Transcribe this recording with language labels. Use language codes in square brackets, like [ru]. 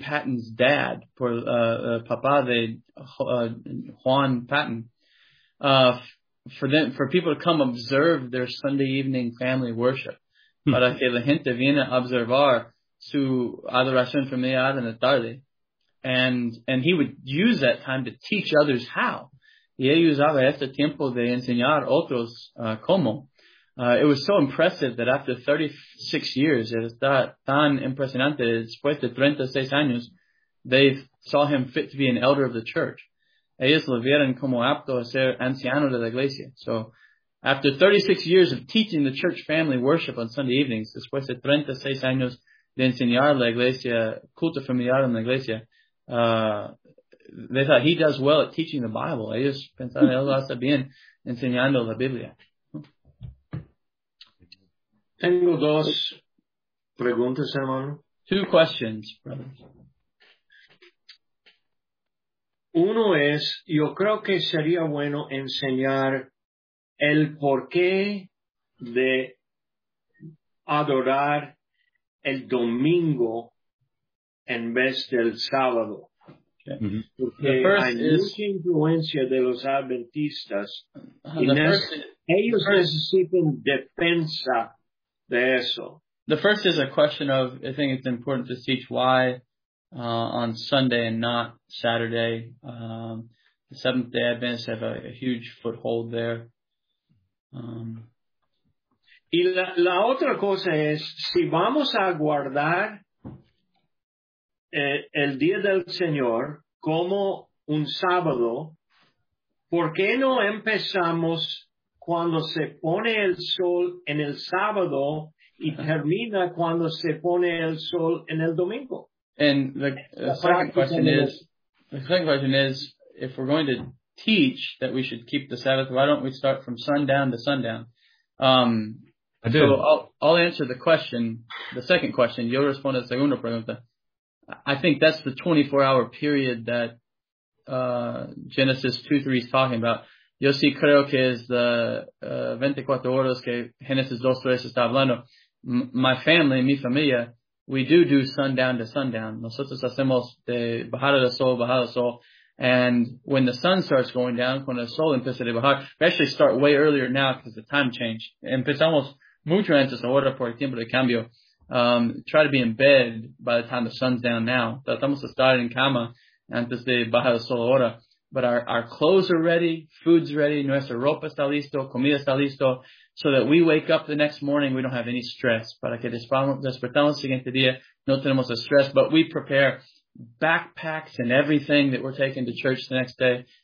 [en] Patton's dad, for [es] papá de Juan Patton, [en] for people to come observe their Sunday evening family worship, [es] para que la gente viene observar su adoración familiar en la tarde, [en] and he would use that time to teach others how. [es] Y él usaba este tiempo de enseñar otros cómo. [en] It was so impressive that after 36 years, it was [es] tan impresionante, después de 36 años, [en] they saw him fit to be an elder of the church. [es] Ellos lo vieron como apto a ser anciano de la iglesia. [en] So after 36 years of teaching the church family worship on Sunday evenings, [es] después de 36 años de enseñar la iglesia, [en] culto familiar en la iglesia, they thought he does well at teaching the Bible. [es] Ellos pensaron, él lo hace bien enseñando la Biblia. Tengo dos preguntas, hermano. [en] 2 questions, brothers. [es] Uno es, yo creo que sería bueno enseñar el porqué de adorar el domingo en vez del sábado. [en] Okay. Mm-hmm. [es] Porque [en] the first [es] hay mucha influencia de los adventistas. Necesitan defensa. [en] The first is a question of, I think it's important to teach why on Sunday and not Saturday. The Seventh-day Adventists have a huge foothold there. [es] Y la otra cosa es, si vamos a guardar el Día del Señor como un sábado, ¿por qué no empezamos cuando se pone el sol en el sábado y termina cuando se pone el sol en el domingo? [en] And the second question is, if we're going to teach that we should keep the Sabbath, why don't we start from sundown to sundown? I do. So I'll answer the question, the second question. [es] Yo respondo a la segunda pregunta. [en] I think that's the 24-hour period that Genesis 2:3 is talking about. [es] Yo sí creo que es the 24 horas que Genesis 2:3 está hablando. [en] My family, [es] mi familia, [en] we do sundown to sundown. [es] Nosotros hacemos de bajada de sol, bajada de sol. [en] And when the sun starts going down, [es] cuando el sol empieza de bajar, [en] we actually start way earlier now because the time change. [es] Empezamos mucho antes ahora por el tiempo de cambio. [en] Try to be in bed by the time the sun's down now. [es] Tratamos de estar en cama antes de bajar el sol ahora. [en] But our clothes are ready, food's ready, [es] nuestra ropa está listo, [en] comida está listo, so that we wake up the next morning, we don't have any stress. [es] Para que despertamos el siguiente día, no tenemos el stress, [en] but we prepare backpacks and everything that we're taking to church the next day.